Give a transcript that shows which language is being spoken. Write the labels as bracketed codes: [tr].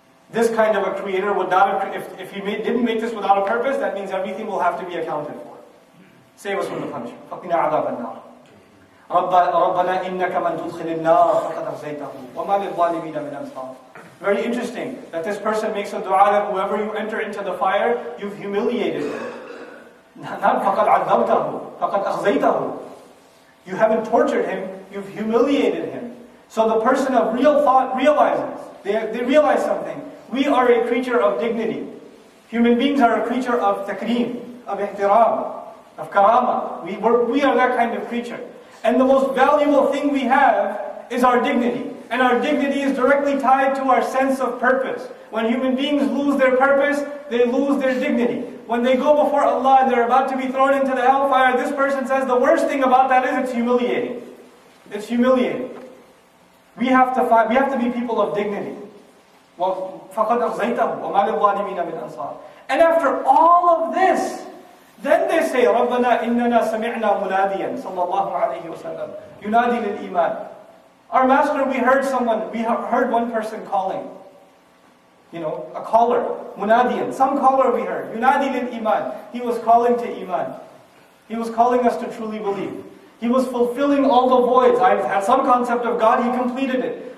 [en] This kind of a creator would not have, if he didn't make this without a purpose, that means everything will have to be accounted for. Save us from the punishment. [ar] فَقِنَا عَذَابَ النَّارِ. رَبَّنَا إِنَّكَ مَنْ تُدْخِلِ النَّارَ فَقَدْ أَخْزَيْتَهُ وَمَا لِلْظَالِمِينَ مِنْ أَنْصَارٍ. [en] Very interesting that this person makes a dua that whoever you enter into the fire, you've humiliated them. Not [ar] فَقَدْ عَذَّبْتَهُ فَقَدْ أَخْزَيْتَهُ. [en] You haven't tortured him, you've humiliated him. So the person of real thought realizes, they realize something. We are a creature of dignity. Human beings are a creature of takreem, of ihtiram, of karama. We are that kind of creature. And the most valuable thing we have is our dignity. And our dignity is directly tied to our sense of purpose. When human beings lose their purpose, they lose their dignity. When they go before Allah and they're about to be thrown into the hellfire, this person says the worst thing about that is it's humiliating. It's humiliating. We have to be people of dignity. Well, [ar] فَقَدْ أَخْزَيْتَهُ وَمَا لِلْظَالِمِينَ مِنْ أَنْصَارٍ. [en] And after all of this, then they say, [ar] رَبَّنَا إِنَّنَا سَمِعْنَا مُنَادِيًا صَلَّى اللَّهُ عَلَيْهِ وَسَلَّمْ يُنَادِي لِلْإِيمَانِ. [en] Our master, we heard one person calling. You know, a caller, munadiyan, some caller we heard, yunadi lil iman. He was calling to iman. He was calling us to truly believe. He was fulfilling all the voids. I had some concept of God, he completed it.